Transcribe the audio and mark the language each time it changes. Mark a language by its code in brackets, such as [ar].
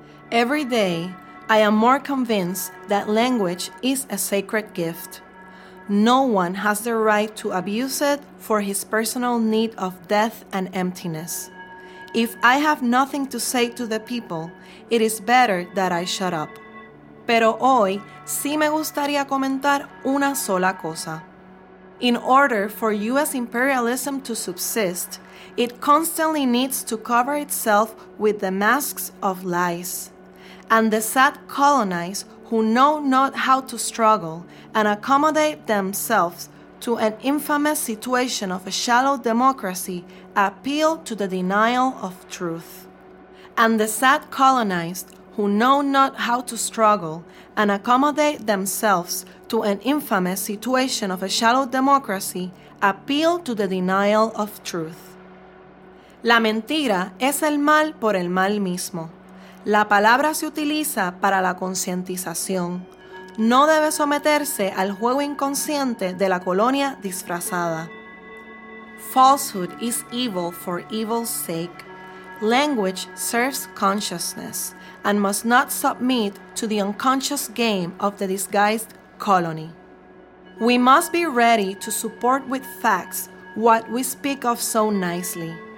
[en] Every day, I am more convinced that language is a sacred gift. No one has the right to abuse it for his personal need of death and emptiness. If I have nothing to say to the people, it is better that I shut up. [es] Pero hoy sí me gustaría comentar una sola cosa. [en] In order for U.S. imperialism to subsist, it constantly needs to cover itself with the masks of lies. And the sad colonized who know not how to struggle and accommodate themselves to an infamous situation of a shallow democracy appeal to the denial of truth. And the sad colonized who know not how to struggle and accommodate themselves to an infamous situation of a shallow democracy appeal to the denial of truth. [es] La mentira es el mal por el mal mismo. La palabra se utiliza para la concientización. No debe someterse al juego inconsciente de la colonia disfrazada. [en] Falsehood is evil for evil's sake. Language serves consciousness and must not submit to the unconscious game of the disguised colony. We must be ready to support with facts what we speak of so nicely.